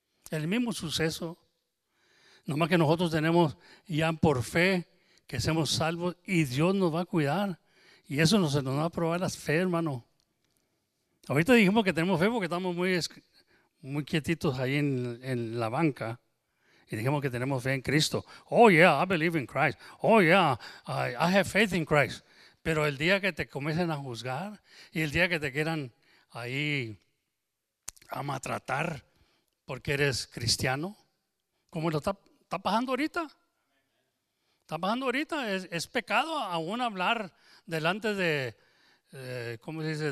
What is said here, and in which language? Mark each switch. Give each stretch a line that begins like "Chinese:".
Spanish: El mismo suceso. Nomás que nosotros tenemos ya por fe que seamos salvos y Dios nos va a cuidar. Y eso no se nos va a probar la fe, hermano. Ahorita dijimos que tenemos fe porque estamos muy quietitos ahí en la banca. Y dijimos que tenemos fe en Cristo.
English: Oh, yeah, I believe in Christ. Oh, yeah, I have faith in Christ.
Spanish: Pero el día que te comiencen a juzgar y el día que te quieran ahí a maltratar porque eres cristiano, como lo está pasando ahorita. Está pasando ahorita. Es pecado aún hablar delante de ¿cómo se dice?